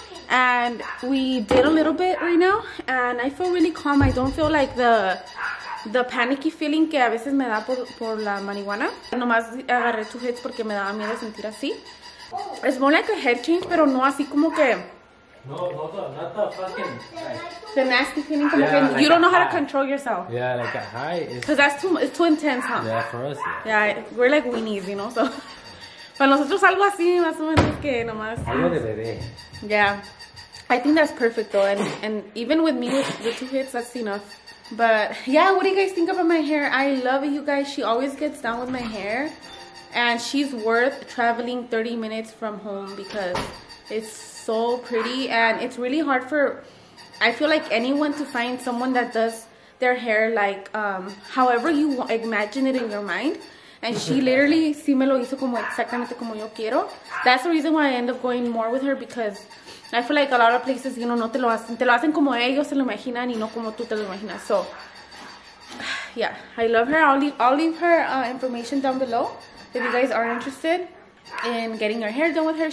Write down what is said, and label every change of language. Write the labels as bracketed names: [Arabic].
[English] And we did a little bit right now, and I feel really calm. I don't feel like the panicky feeling [Spanish] que a veces me da por la marihuana. Nomás agarré 2 hits porque me daba miedo sentir así. [English] It's more like a head change, [Spanish] pero no así como que... [English] No, not the fucking nasty feeling. Yeah, like you don't know how to control yourself. Yeah, like a high. Because that's too, it's too intense, huh? Yeah, for us. Yeah, we're like weenies, you know, so... [Spanish] Para nosotros algo así, más o menos que nomás... Algo de bebé. [English] Yeah. I think that's perfect, though. And even with me with the 2 hits, that's enough. But, yeah, what do you guys think about my hair? I love you guys. She always gets down with my hair. And she's worth traveling 30 minutes from home because it's so pretty. And it's really hard for, I feel like, anyone to find someone that does their hair like however you imagine it in your mind. And she literally [Spanish] sí me lo hizo como exactamente como yo quiero. [English] That's the reason why I end up going more with her, because I feel like a lot of places, you know, [Spanish] no te lo hacen. Te lo hacen como ellos se lo imaginan y no como tú te lo imaginas. [English] So, yeah, I love her. I'll leave her information down below if you guys are interested in getting your hair done with her.